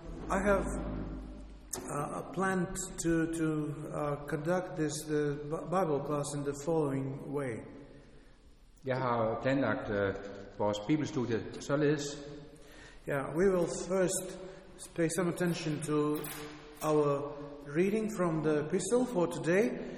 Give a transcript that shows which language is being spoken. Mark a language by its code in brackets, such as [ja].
[en] I have planned to conduct this Bible class in the following way. [da] Jeg har planlagt vores bibelstudie således. [en] Yeah, we will first pay some attention to our reading from the epistle for today.